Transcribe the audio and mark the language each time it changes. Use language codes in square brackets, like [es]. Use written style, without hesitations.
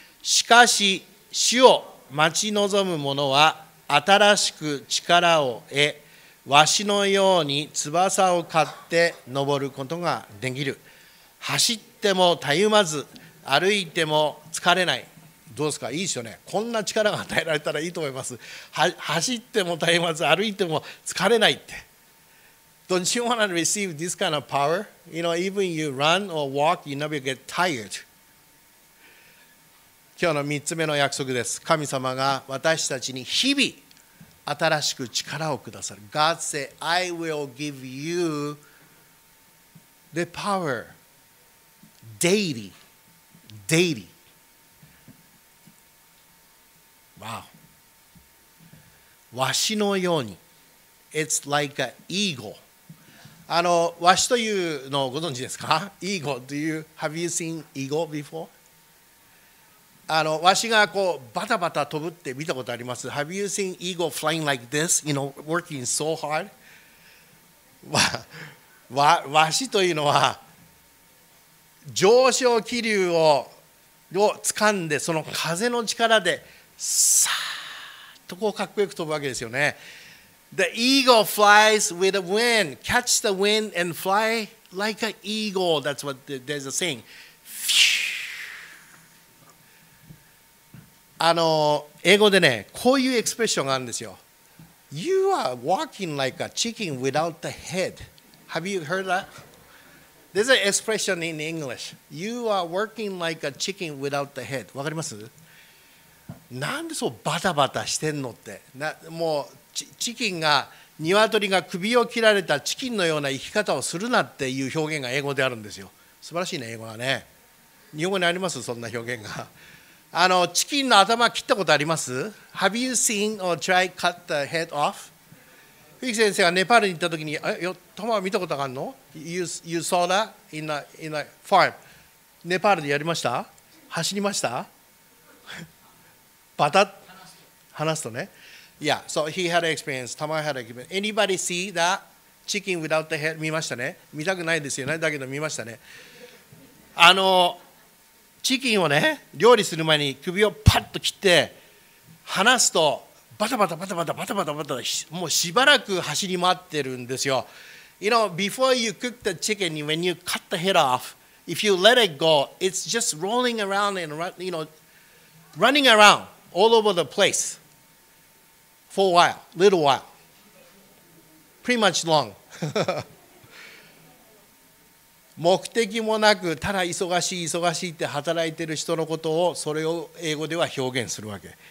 [ja] しかし主を待ち望む者は新しく力を得わしのように翼を買って登ることができる。走ってもたゆまず歩いても疲れない。どうですか、いいですよね。こんな力が与えられたらいいと思います。走ってもたゆまず歩いても疲れないって。 [en] Don't you want to receive this kind of power? You know, even you run or walk, you never get tired. [ja] 今日の3つ目の約束です。神様が私たちに日々新しく力をくださる。 [en] God said, I will give you the power daily, daily. [ja] Wow. わしのように。 [en] It's like an eagle. [ja] ワシというのをご存知ですか？ [en] イーゴ、Do you, have you seen eagle before? [ja] ワシがこうバタバタ飛ぶって見たことあります。 [en] Have you seen eagle flying like this? You know, working so hard? [ja] ワシというのは上昇気流を掴んでその風の力でさーっとこうかっこよく飛ぶわけですよね。 [en] The eagle flies with the wind. Catch the wind and fly like an eagle. That's what there's a saying. Phew. [ja] 英語でね、こういうエクスプレッションがあるんですよ。 [en] You are walking like a chicken without a head. Have you heard that? There's an expression in English. You are working like a chicken without a head. [ja] わかります？なんでそうバタバタしてんのって。な、もう、チキンが鶏が首を切られたチキンのような生き方をするなっていう表現が英語であるんですよ。素晴らしいね、英語はね。日本語にあります、そんな表現が。チキンの頭切ったことあります？ [en] Have you seen or tried cut the head off? [ja] フィキ先生がネパールに行った時に、あ、よ、トマは見たことあるの？ [en] You saw that in a farm. [ja] ネパールでやりました？走りました？バタッ話すとね。 [en] Yeah, so he had an experience. Tama had an experience. Anybody see that chicken without the head? [ja] 見ましたね。見たくないですよね。だけど見ましたね。チキンをね、料理する前に首をパッと切って離すとバタバタバタバタバタバタバタバタ、もうしばらく走り回ってるんですよ。 [en] You know, before you cook the chicken, when you cut the head off, If you let it go, it's just rolling around and run, you know, running around all over the place for a while, little while. Pretty much long. [ja] 目的もなくただ忙しい忙しいって働いてる人のことをそれを英語では表現するわけ。